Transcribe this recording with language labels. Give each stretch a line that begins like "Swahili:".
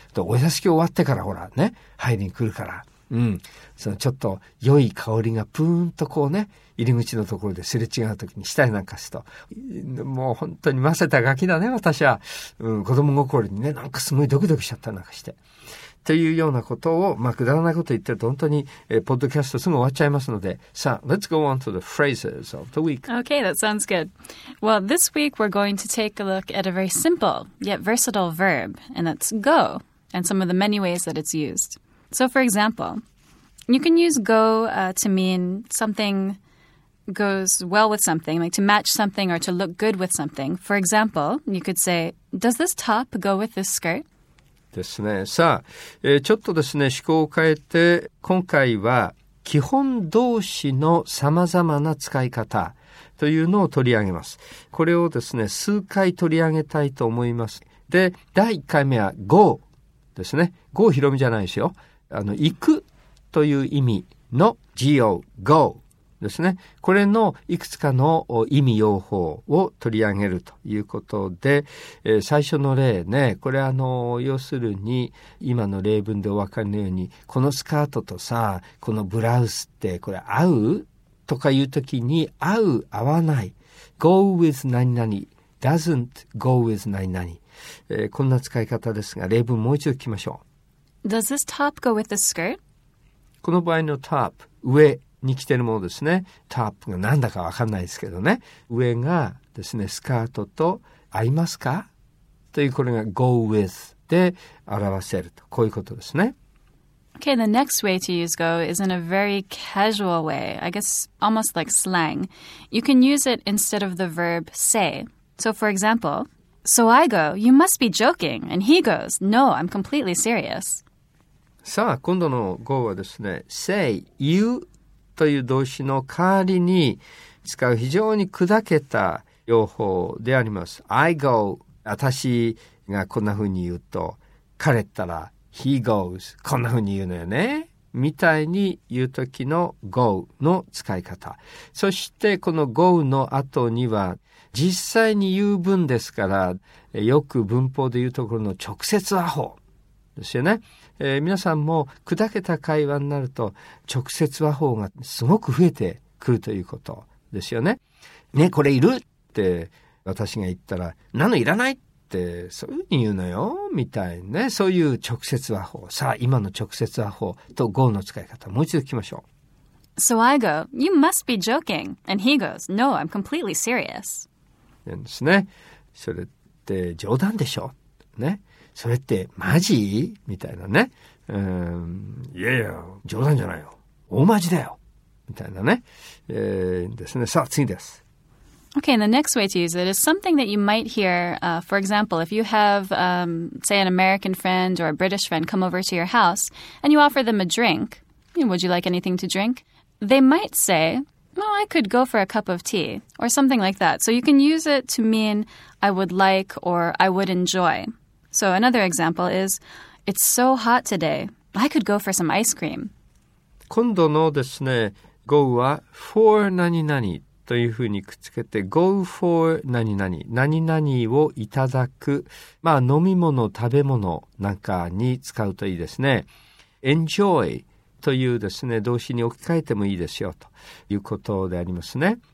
Japanese: とお座敷終わってからほらね、入りに来るから。そのちょっと良い香りがプーンとこうね、入り口のところですれ違う時にしたりなんかすると、もう本当にませたガキだね、私は。子供心にね、なんかすごいドキドキしちゃったりなんかして。というようなことを、まあ、くだらないこと言ってると本当に、ポッドキャストすぐ終わっちゃいますので、さあ、
English: Let's go on to the phrases of the week. Okay, that sounds good. Well, this week we're going to take a look at a very simple, yet versatile verb, and that's go, and some of the many ways that it's used. So, for example, you can use go to mean something goes well with something, like to match something or to look good with something. For example, you could say, does this top go with this skirt?
Japanese: ですね。さあ、ちょっとですね、思考を変えて、今回は基本動詞のさまざまな使い方というのを取り上げます。これをですね、数回取り上げたいと思います。で、第1回目は go ですね。 go ひろみじゃないですよ。行くという意味の go, go ですね。これのいくつかの意味用法を取り上げるということで、最初の例ね、これ要するに今の例文でお分かりのように、このスカートとさ、このブラウスってこれ合う? とかいう時に合う、合わない。go with 何々、doesn't go with 何々、こんな使い方ですが、例文もう一度聞きましょう。
English: Does this top go with the skirt?
Japanese: この場合のトップ、上に着てるものですね。トップが何だか分かんないですけどね。上がですね、スカートと合いますか? というこれが go with で表せると。こういうことですね。
English: Okay, the next way to use go is in a very casual way. I guess almost like slang. You can use it instead of the verb say. So for example... So I go, you must be joking. And he goes, no, I'm completely serious.
Japanese: さあ、今度の go はですね、say, you という動詞の代わりに使う非常に砕けた用法であります。
English: I go、
Japanese: 私がこんなふうに言うと、彼ったら
English: He goes、
Japanese: こんなふうに言うのよね、みたいに言う時の go の使い方。そしてこの go の後には実際に言う文ですから、よく文法で言うところの直接アホですよね。皆さんも砕けた会話になると直接アホがすごく増えてくるということですよね。ね、これいるって私が言ったら、なのいらないってそういうふうに言うのよみたいね、そういう直接アホ。さあ、今の直接アホと go の使い方、もう一度聞きましょう。
English: So I go, you must be joking. And he goes, no, I'm completely serious.
Japanese: なんですね。それって冗談でしょ、ね、それってマジみたいなね。いやいや、冗談じゃないよ。大マジだよ。みたいなね。ですね。さあ、次です。
English: Okay, and the next way to use it is something that you might hear. For example, if you have, say, an American friend or a British friend come over to your house and you offer them a drink, you know, would you like anything to drink? They might say, well, I could go for a cup of tea, or something like that. So you can use it to mean I would like or I would enjoy. So another example is, it's so hot today, I could go for some ice cream.
Japanese: 今度のですね、go は for 何々というふうにくっつけて、go for 何々、何々をいただく、まあ飲み物、食べ物なんかに使うといいですね。 enjoy、というですね、動詞に置き換えてもいいですよということでありますね。